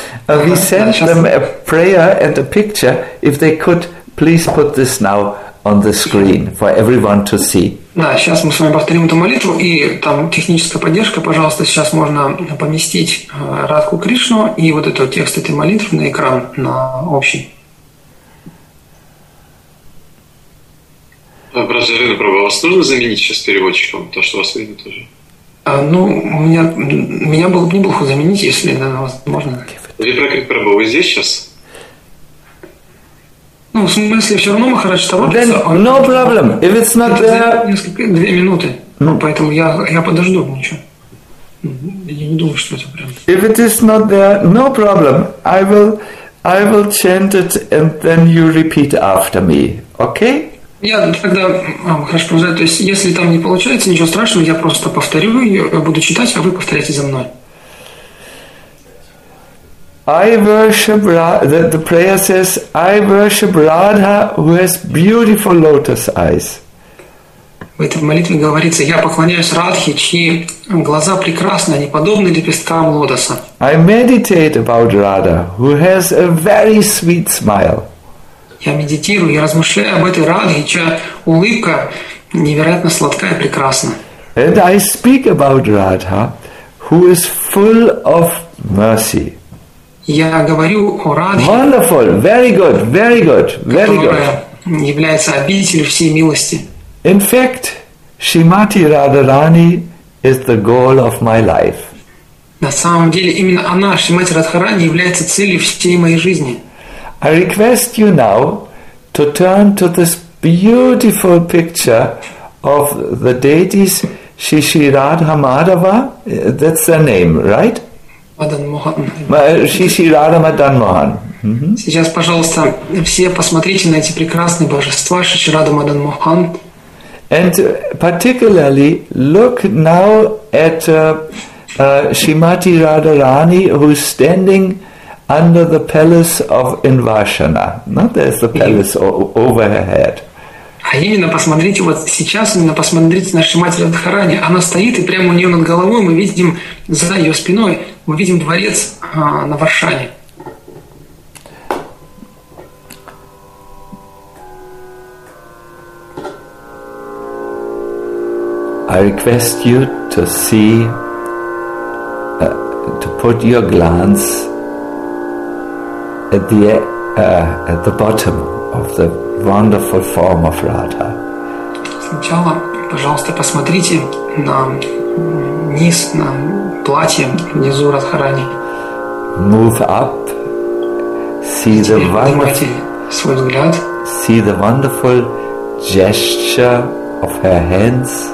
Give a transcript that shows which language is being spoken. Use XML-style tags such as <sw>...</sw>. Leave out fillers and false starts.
<en>We sent them a prayer and a picture. If they could, please put this now on the screen for everyone to see.</en> <ru>Да, сейчас мы с вами повторим эту молитву, и там техническая поддержка, пожалуйста, сейчас можно поместить Радху Кришну и вот этот текст этой молитвы на экран, на общий. Браджарин, Прабху, вас нужно заменить сейчас переводчиком, то, что вас видно тоже? Ну, меня было бы неплохо заменить, если да, возможно. Випракрит Прабху, вы здесь сейчас? Ну, в смысле, все равно Махарадж торопится.</ru> <en>No problem, if it's not there...</en> <ru>Несколько, две минуты, поэтому я подожду, ничего. Я не думаю, что это прям...</ru> <en>If it is not there, no problem, I will chant it, and then you repeat after me, okay?</en> <ru>Я тогда хорошо понимаю, то есть если там не получается, ничего страшного, я просто повторю ее, буду читать, а вы повторяйте за мной.</ru> <en>I worship Radha, the prayer says, I worship Radha who has beautiful lotus eyes.</en> <ru>В этой молитве говорится, я поклоняюсь Радхе, чьи глаза прекрасны, они подобны лепесткам лотоса.</ru> <en>I meditate about Radha who has a very sweet smile.</en> <ru>Я медитирую, я размышляю об этой Радхе, чья улыбка невероятно сладкая и прекрасна.</ru> <en>And I speak about Radha, who is full of mercy.</en> <ru>Я говорю о Радхе.</ru> <en>Wonderful, very good, very good, very good.</en> <ru>является обителью всей милости.</ru> <en>In fact, Shrimati Radharani is the goal of my life.</en> <ru>На самом деле, именно она, Шримати Радхарани, является целью всей моей жизни.</ru> <en>I request you now to turn to this beautiful picture of the deities Shishi Radha Madhava. That's their name, right? Madan Mohan. Shishi Radha Madan Mohan. Mm-hmm.</en> <ru>Сейчас, пожалуйста, все посмотрите на эти прекрасные божества Шиши Радха Мадан Мохан.</ru> <en>And particularly look now at Shrimati Radharani, who's standing under the palace of Invashana. No, there's the palace over her head.</en> <ru>А именно посмотрите вот сейчас, именно посмотрите на Шримати Радхарани. Она стоит, и прямо у нее над головой мы видим за ее спиной, мы видим дворец на Варшане.</ru> <en>I request you to see, to put your glance at the bottom of the wonderful form of Radha.</en> <ru>Сначала, пожалуйста, посмотрите на низ, на платье внизу Радхарани.</ru> <en>Move up, see the wonderful,</en> <ru>свой взгляд.</ru> <en>See the wonderful gesture of her hands.</en>